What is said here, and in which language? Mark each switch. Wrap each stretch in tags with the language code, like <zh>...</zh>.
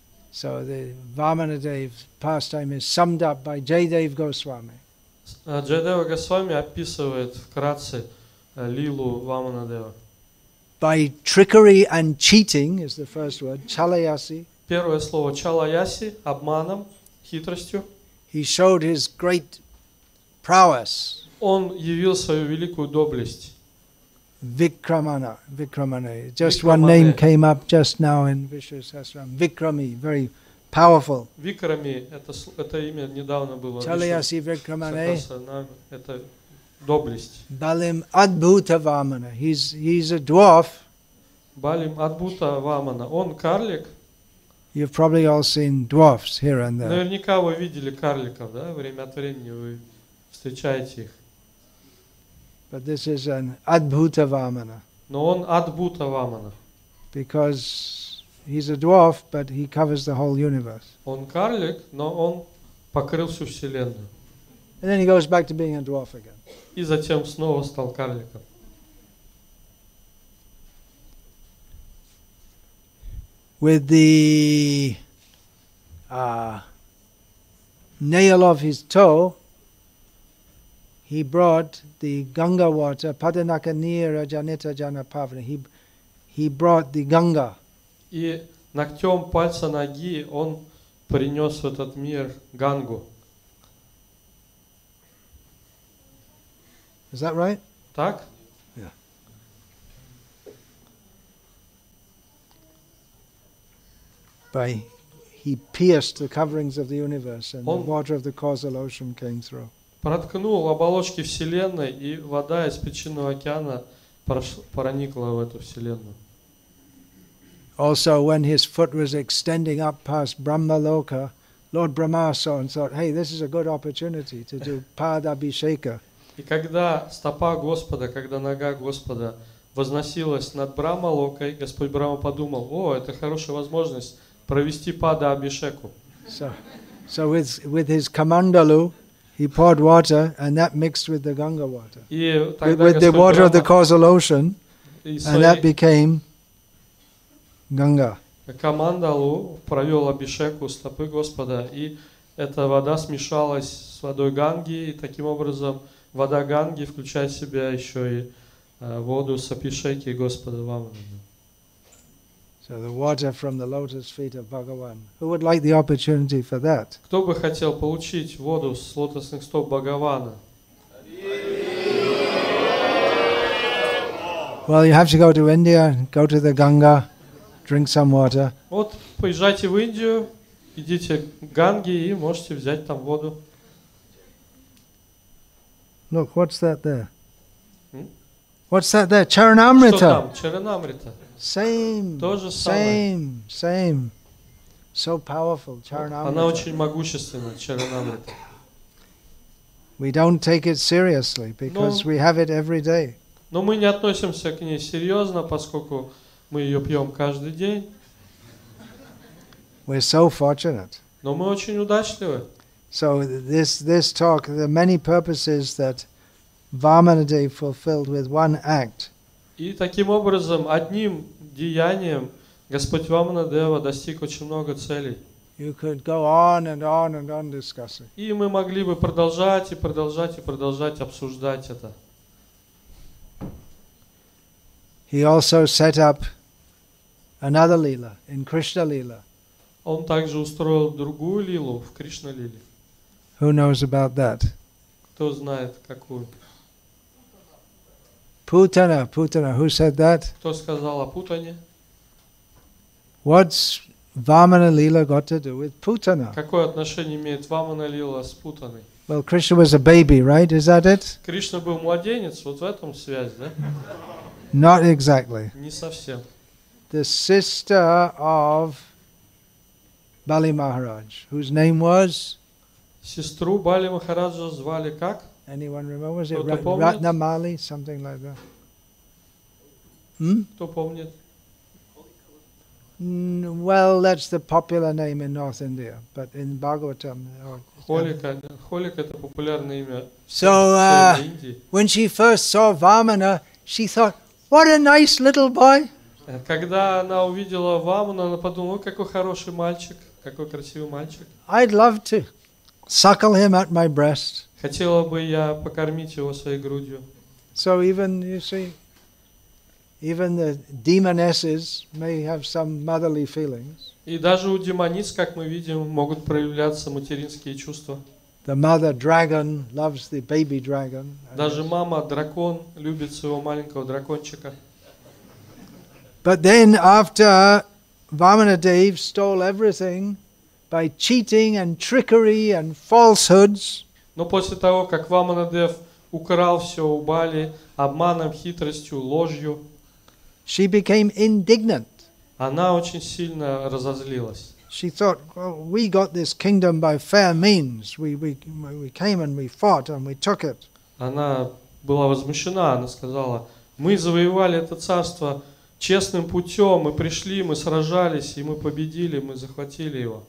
<en>So the Vamanadev's pastime is summed up by Jayadev Goswami.</en> <ru>Jayadeva Goswami описывает вкратце лилу Vamanadeva.</ru> <en>By trickery and cheating is the first word, chalayasi.</en> <ru>Первое слово chalayasi, обманом, хитростью.</ru> <en>He showed his great prowess.</en> <ru>Он явил свою великую доблесть.</ru> <sa>Vikramane.</sa> <en>Just Vikramane. One name came up just now in Vishu Sahasraram. Vikrami, very powerful.</en> <ru>Vikrami, это имя недавно было.</ru> <sa>Chalayasi Vikramane.</sa> <ru>Это доблесть.</ru> <sa>Balim Adbhuta Vamana.</sa> <en>He's a dwarf.</en> <sa>Balim Adbhuta Vamana.</sa> <ru>Он карлик.</ru> <en>You've probably all seen dwarfs here and there.</en> <ru>Наверняка вы видели карликов, да? Время от времени вы встречаете их.</ru> <en>But this is an Adbhuta Vamana.</en> <ru>Но он Adbhuta Vamana.</ru> <en>Because he's a dwarf, but he covers the whole universe.</en> <ru>Он карлик, но он покрыл всю вселенную.</ru> <en>And then he goes back to being a dwarf again.</en> <ru>И затем снова стал карликом.</ru> <en>With the nail of his toe, he brought the Ganga water,</en> <sa>Padanaka Nira Janita Janapavana.</sa> <en>He brought the Ganga.</en> <ru>И ногтем пальца ноги он принес в этот мир Гангу.</ru> <en>Is that right?</en> <ru>Так?</ru> <en>Yeah. By he pierced the coverings of the universe and the water of the causal ocean came through.</en> <ru>Проткнул оболочки вселенной, и вода из Причинного океана проникла в эту вселенную.</ru> <en>Also, when his foot was extending up past Brahma Loka, Lord Brahma saw and thought, hey, this is a good opportunity to do Padabhisheka.</en> <ru>И когда стопа Господа, когда нога Господа возносилась над Брахма Локой, Господь Брахма подумал, о, это хорошая возможность провести Падабхишеку.</ru> <en>So with his Камандалу, he poured water, and that mixed with the Ганга water.</en> <ru>И</ru> <en>with the water of the causal ocean, and that became Ганга.</en> <ru>Камандалу провел Абхишеку стопы Господа, и эта вода смешалась с водой Ганги, и таким образом вода Ганги включает в себя еще и воду с Абхишеки Господа Вамана.</ru> <en>So the water from the lotus feet of Bhagavan. Who would like the opportunity for that?</en> <ru>Кто бы хотел получить воду с лотосных стоп Бхагавана?</ru> <en>Well, you have to go to India, go to the Ganga, drink some water.</en> <ru>Вот поезжайте в Индию, идите к Ганге и можете взять там воду.</ru> <en>Look, what's that there? What's that there?</en> <sa>Charanamrita. Charanamrita.</sa> <en>Same. So powerful, Charanamrita.</en> <ru>Она очень могущественна, Charanamrita.</ru> <en>We don't take it seriously because we have it every day.</en> <ru>Но мы не относимся к ней серьезно, поскольку мы ее пьем каждый день.</ru> <en>We're so fortunate.</en> <ru>Но мы очень удачливы.</ru> <en>So this talk, the many purposes that Vamanadev fulfilled with one act.</en> <ru>И таким образом, одним деянием Господь Вамана-дева достиг очень много целей.</ru> <en>You could go on and on and on discussing.</en> <ru>И мы могли бы продолжать и продолжать и продолжать обсуждать это.</ru> <en>He also set up another lila in Krishna lila.</en> <ru>Он также устроил другую лилу в Кришна лиле.</ru> <en>Who knows about that?</en> <ru>Кто знает какую?</ru> <en>Путана, who said that?</en> <ru>Кто сказал о Путане?</ru> <en>What's Vamana Lila got to do with Putana?</en> <ru>Какое отношение имеет Vamana Lila с Путаной?</ru> <en>Well, Krishna was a baby, right? Is that it?</en> <ru>Кришна был младенец, вот в этом связь, да?</ru> <en>Not exactly.</en> <ru>Не совсем.</ru> <en>The sister of Bali Maharaj, whose name was?</en> <ru>Сестру Бали Махараджа звали как?</ru> <en>Anyone remember? Was it Ratnamali, something like that?</en> <ru>Кто помнит?</ru> <en>Well, that's the popular name in North India, but in Bhagavatam.</en> <ru>Холика это популярное имя.</ru> <en>So when she first saw Vamana, she thought, "What a nice little boy!"</en> <ru>Когда она увидела Вамана, она подумала, какой хороший мальчик, какой красивый мальчик.</ru> <en>I'd love to suckle him at my breast.</en> <ru>Хотела бы я покормить его своей грудью.</ru> <en>So even, you see, even the demonesses may have some motherly feelings.</en> <ru>И даже у демониц, как мы видим, могут проявляться материнские чувства.</ru> <en>The mother dragon loves the baby dragon.</en> <ru>Даже мама дракон любит своего маленького дракончика.</ru> <en>But then after Vamanadev stole everything by cheating and trickery and falsehoods.</en> <ru>Но после того, как Вамана-дев украл все у Бали обманом, хитростью, ложью,</ru> <en>she became indignant.</en> <ru>Она очень сильно разозлилась.</ru> <en>She thought, well, we got this kingdom by fair means. We came and we fought and we took it.</en> <ru>Она была возмущена. Она сказала, мы завоевали это царство честным путем, мы пришли, мы сражались, и мы победили, мы захватили его.</ru>